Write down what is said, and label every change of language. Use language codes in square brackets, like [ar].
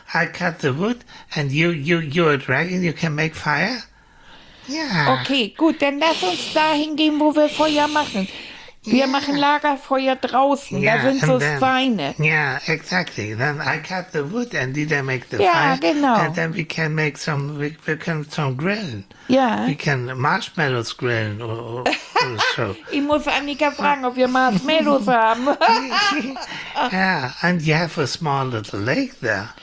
[en] I cut the wood and you're a dragon. You can make fire? Yeah. [de] Okay, gut. Dann lass uns dahin gehen, wo wir Feuer machen. Wir machen Lagerfeuer draußen. [en] Yeah, [de] da sind so Schweine. [en] Yeah, exactly. Then I cut the wood and Dieter make the fire. [de] Ja, genau. [en] And then we can make some, we can some grillen. Yeah. We can marshmallows grillen or so. [de] Ich muss Annika fragen, ob wir Marshmallows haben. [en] Yeah, and you have a small little lake there.